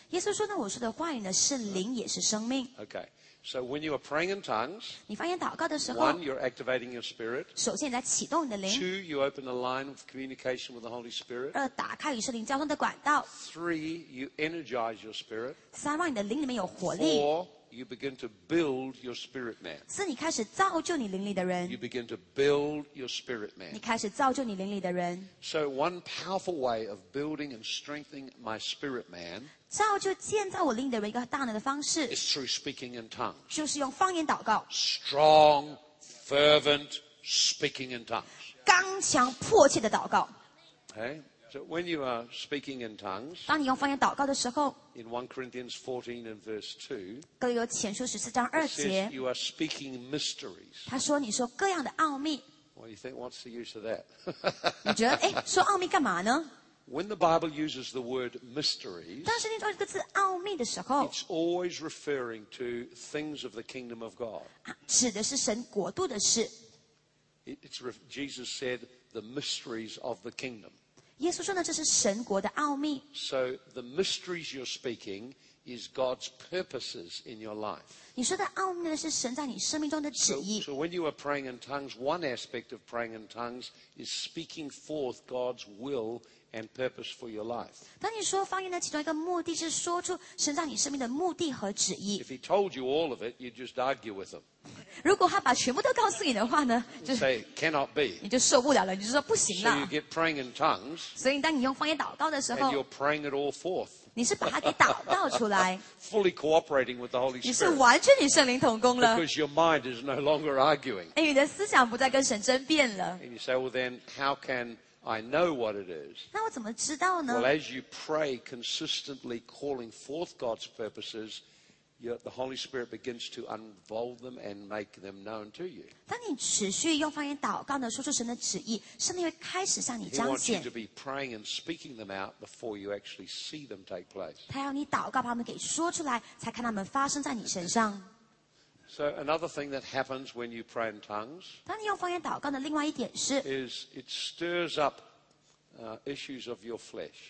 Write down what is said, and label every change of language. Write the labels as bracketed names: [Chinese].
[Chinese] 耶稣说呢，我说的话语呢是灵也是生命。 [English] Okay, so when you are praying in tongues, [Chinese] 你方言祷告的时候 [English] ，one, you're activating your spirit. [Chinese] 首先你在启动你的灵。 [English] Two, you open a line of communication with the Holy Spirit. [Chinese] 二，打开与圣灵交通的管道。 [English] Three, you energize your spirit. [Chinese] 三，让你的灵里面有活力。 [English] Four. You begin to build your spirit man. [Chinese] 是你开始造就你灵里的人。 [English] You begin to build your spirit man. [Chinese] 你开始造就你灵里的人。 [English] So one powerful way of building and strengthening my spirit man. [Chinese] 造就建造我灵里的人一个大能的方式。 [English] Is through speaking in tongues. [Chinese] 就是用方言祷告。 [English] Strong, fervent speaking in tongues. [Chinese] 刚强迫切的祷告。 [English] Okay. So when you are speaking in tongues, [Chinese] 当你用方言祷告的时候 [English] in 1 Corinthians 14 and verse 2, [Chinese] 哥林多前书十四章二节 [English] it says you are speaking mysteries. [Chinese] 他说你说各样的奥秘 [English] Well, you think, what's the use of that? [Chinese] 你觉得诶说奥秘干嘛呢 [English] When the Bible uses the word mysteries, [Chinese] 当圣经中一个字奥秘的时候 [English] it's always referring to things of the kingdom of God. [Chinese] 指的是神国度的事 [English] Jesus said the mysteries of the kingdom. [Chinese] 耶稣说呢，这是神国的奥秘。 [English] So the mysteries you're speaking is God's purposes in your life. [Chinese] 你说的奥秘呢，是神在你生命中的旨意。 [English] So when you are praying in tongues, one aspect of praying in tongues is speaking forth God's will and purpose for your life. [Chinese] 当你说方言的其中一个目的是说出神在你生命的目的和旨意。 [English] If he told you all of it, you'd just argue with him. [Chinese] 如果他把全部都告诉你的话呢，就 [English] say cannot be. [Chinese] 你就受不了了，你就说不行了。 [English] So you get praying in tongues. [Chinese] 所以当你用方言祷告的时候 [English] ，and you're praying it all forth. [Chinese] 你是把它给祷告出来。 [English] Fully cooperating with the Holy Spirit. [Chinese] 你是完全与圣灵同工了。 [English] Because your mind is no longer arguing. [Chinese] 哎，你的思想不再跟神争辩了。 [English] And you say, well, then how can I know what it is. [Chinese] 那我怎么知道呢? [English] Well, as you pray consistently calling forth God's purposes, the Holy Spirit begins to unfold them and make them known to you. [Chinese] 当你持续用方言祷告呢，说出神的旨意，圣灵会开始向你彰显。 [English] He wants you to be praying and speaking them out before you actually see them take place. [Chinese] 他要你祷告把他们给说出来，才看他们发生在你身上。 [English] So another thing that happens when you pray in tongues [Chinese] 当你用方言祷告的另外一点是 [English] is it stirs up issues of your flesh.